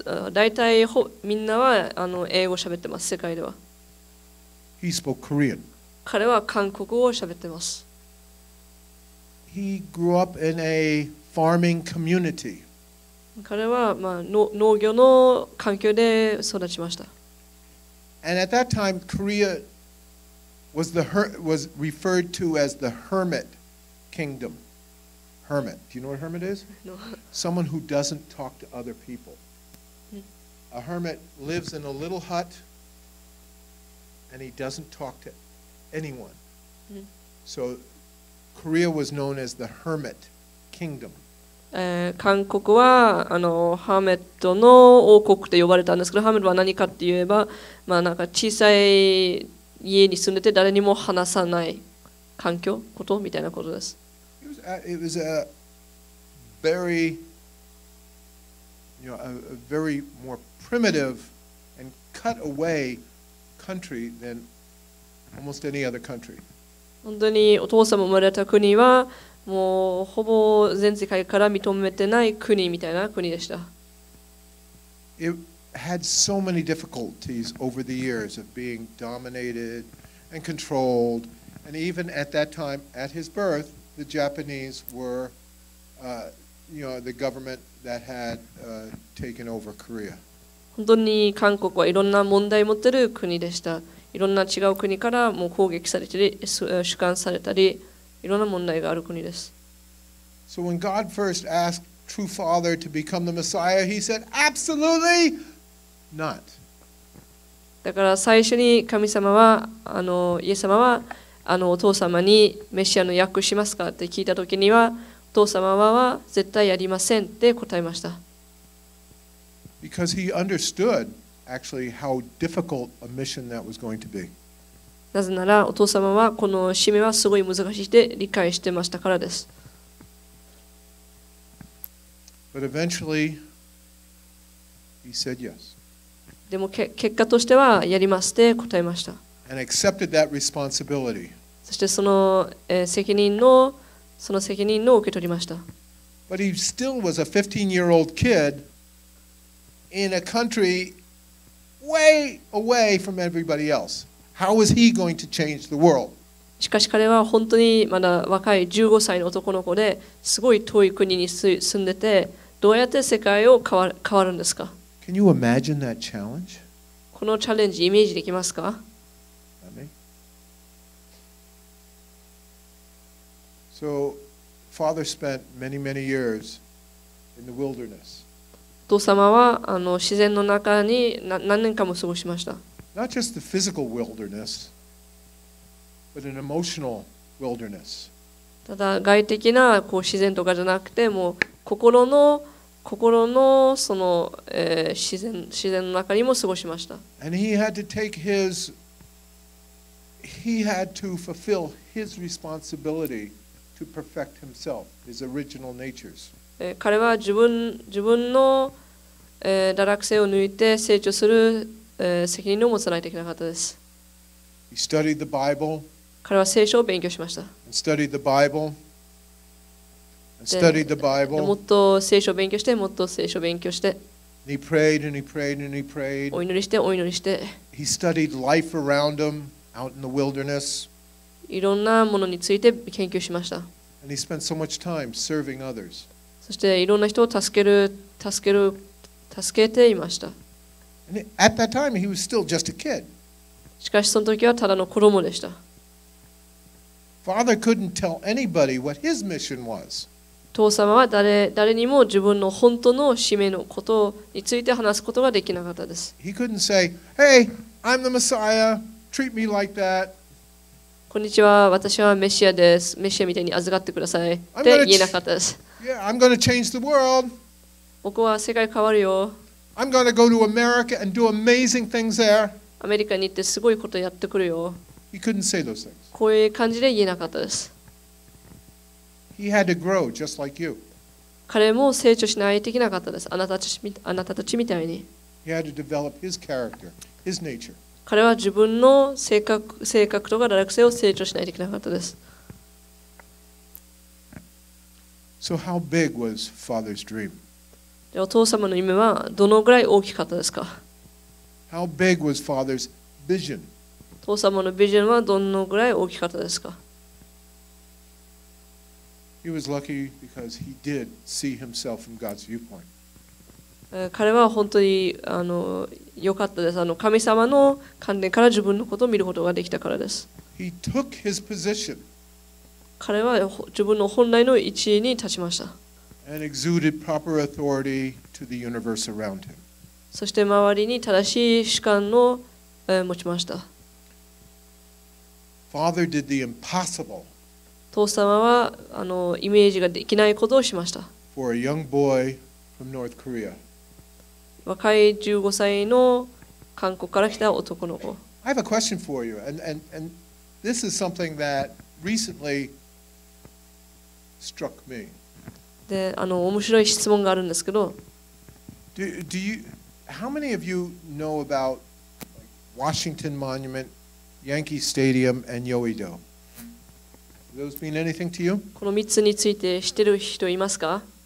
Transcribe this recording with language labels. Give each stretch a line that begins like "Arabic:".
Japanese: だいたいみんなは英語を喋ってます。世界では。
English: He spoke Korean.
Japanese: 彼は韓国語を喋ってます。
English: He grew up in a farming community.
Japanese: 彼は、農業の環境で育ちました。
English: And at that time, Korea was referred to as the hermit kingdom. Hermit. Do you know what a hermit is? No. Someone who doesn't talk to other people. A hermit lives in a little hut and he doesn't talk to anyone. So,Korea was known as the Hermit Kingdom.
Japanese: 韓国はハーメットの王国と呼ばれたんですけど、ハーメットは何かって言えば、なんか小さい家に住んでて誰にも話さない環境ことみたいなことです。
English: It was a very, you know, a very more primitive and cut away country than almost any other country.
Japanese: 本当にお父様生まれた国はもうほぼ全世界から認めてない国みたいな国でした。
English: It had so many difficulties over the years of being dominated and controlled, and even at that time, at his birth, the Japanese were, you know, the government that had taken over Korea.
Japanese: 本当に韓国はいろんな問題を持ってる国でした。いろんな違う国からもう攻撃されたり、主観されたり、いろんな問題がある国です。
English: So when God first asked True Father to become the Messiah, he said, absolutely not.
Japanese: だから最初に神様は、イエス様は、お父様にメシアの訳しますかって聞いたときには、お父様は絶対やりませんって答えました。
English: Because he understood actually how difficult a mission that was going to be.
Japanese: なぜならお父様はこの使命はすごい難しいで理解してましたからです。
English: But eventually he said yes.
Japanese: でも結果としてはやりますって答えました。
English: And accepted that responsibility.
Japanese: そしてその、責任を受け取りました。
English: But he still was a 15-year-old kid. In a country way away from everybody else, how was he going to change the world?
Japanese: しかし彼は本当にまだ若い15歳の男の子で、すごい遠い国に住んでて、どうやって世界を変わるんですか?
English: Can you imagine that challenge?
Japanese: このチャレンジイメージできますか?
English: So, father spent many, many years in the wilderness.
Japanese: 父様は自然の中に何年かも過ごしました。
English: Not just the physical wilderness, but an emotional wilderness.
Japanese: ただ外的なこう自然とかじゃなくて、もう心のその、自然の中にも過ごしました。
English: And he had to take his, he had to fulfill his responsibility to perfect himself, his original natures.
Japanese: 彼は自分の堕落性を抜いて成長する、責任を持たないといけなかったです。
English: He studied the Bible.
Japanese: 彼は聖書を勉強しました。
English: And studied the Bible. And studied the Bible.
Japanese: もっと聖書を勉強して、もっと聖書を勉強して。
English: And he prayed and he prayed and he prayed.
Japanese: お祈りして。
English: He studied life around him out in the wilderness.
Japanese: いろんなものについて研究しました。
English: And he spent so much time serving others.
Japanese: そしていろんな人を助ける助けていました。
English: And at that time, he was still just a kid.
Japanese: しかしその時はただの子供でした。
English: Father couldn't tell anybody what his mission was.
Japanese: 父様は誰にも自分の本当の使命のことについて話すことができなかったです。
English: He couldn't say, "Hey, I'm the Messiah. Treat me like that."
Japanese: こんにちは、私はメシアです。メシアみたいに預かってください。って言えなかったです。
English: Yeah, I'm going to change the world.
Japanese: 僕は世界変わるよ。
English: I'm going to go to America and do amazing things there.
Japanese: アメリカに行ってすごいことやってくるよ。
English: He couldn't say those things.
Japanese: こういう感じで言えなかったです。
English: He had to grow just like you.
Japanese: 彼も成長しないといけなかったです。あなたたちみたいに。
English: He had to develop his character, his nature.
Japanese: 彼は自分の性格とか堕落性を成長しないといけなかったです。
English: So how big was Father's dream?
Japanese: お父様の夢はどのぐらい大きかったですか?
English: How big was father's vision?
Japanese: 父様のビジョンはどのぐらい大きかったですか?
English: He was lucky because he did see himself from God's viewpoint.
Japanese: 彼は本当に良かったです。神様の観点から自分のことを見ることができたからです。
English: He took his position.
Japanese: 彼は自分の本来の位置に立ちました。
English: And exuded proper authority to the universe around him.
Japanese: そして周りに正しい主観を持ちました。
English: Father did the impossible.
Japanese: 父様はイメージができないことをしました。
English: For a young boy from North Korea.
Japanese: 若い15歳の韓国から来た男の子。
English: I have a question for you, and this is something that recently struck me.
Japanese: で面白い質問があるんですけど、
English: How many of you know about Washington Monument, Yankee Stadium, and Yoido? those mean anything to you?
Japanese: この3つについて知ってる人いますか?